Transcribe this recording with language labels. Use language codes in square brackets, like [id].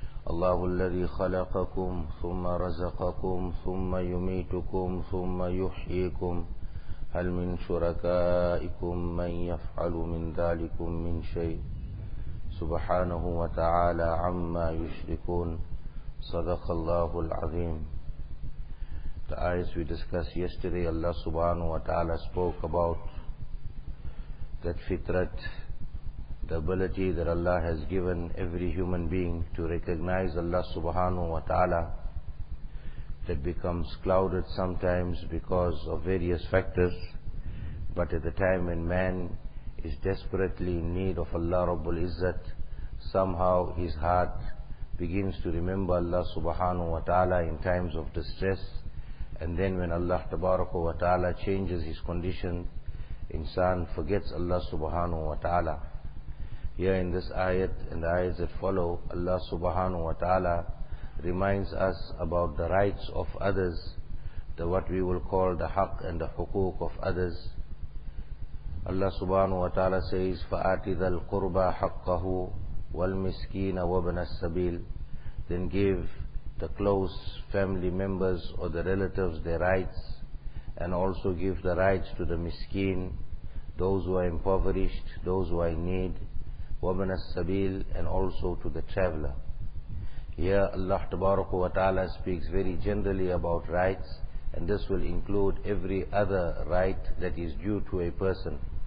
[ar] الله الذي خلقكم ثم رزقكم ثم يميتكم ثم يحييكم هل من شركائكم من يفعل من ذلكم من شيء سبحانه وتعالى عما يشركون. صدق الله العظيم. [en] The ayahs we discussed yesterday, Allah subhanahu wa ta'ala spoke about that fitrat, the ability that Allah has given every human being to recognize Allah subhanahu wa ta'ala, that becomes clouded sometimes because of various factors. But at the time when man is desperately in need of Allah Rabbul Izzat, somehow his heart begins to remember Allah subhanahu wa ta'ala in times of distress. And then when Allah tabarakah wa ta'ala changes his condition, insan forgets Allah subhanahu wa ta'ala. Here in this ayat and the ayats that follow, Allah subhanahu wa ta'ala reminds us about the rights of others, the what we will call the haqq and the huquq of others. Allah subhanahu wa ta'ala says, [ar] فَآتِ ذَا الْقُرْبَى حَقَّهُ وَالْمِسْكِينَ وَابْنَ السَّبِيلِ. [en] Then give the close family members or the relatives their rights, and also give the rights to the miskeen, those who are impoverished, those who are in need, wabna sabil, and also to the traveler. Here Allah tabaraka wa ta'ala speaks very generally about rights, and this will include every other right that is due to a person.